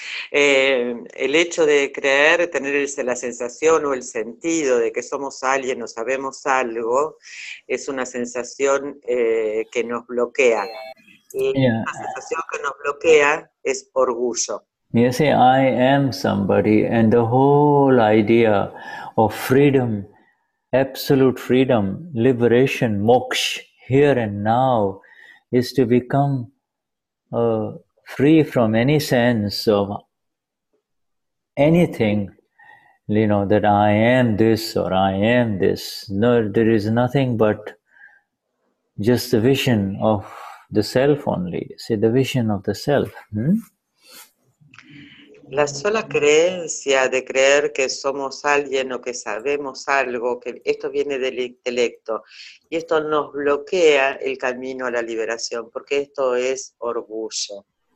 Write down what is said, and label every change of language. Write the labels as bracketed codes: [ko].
[es] El hecho de creer, tener la sensación o el sentido de que somos alguien o sabemos algo, es una sensación que nos bloquea. Y la sensación que nos bloquea es orgullo. [en] You say, I am somebody, and the whole idea of freedom, absolute freedom, liberation, moksha, here and now, is to become free from any sense of anything, you know, that I am this or I am this. No, there is nothing but just the vision of the self only. See, the vision of the self. [es] La sola creencia de creer que somos alguien o que sabemos algo, que esto viene del intelecto, y esto nos bloquea el camino a la liberación, porque esto es orgullo.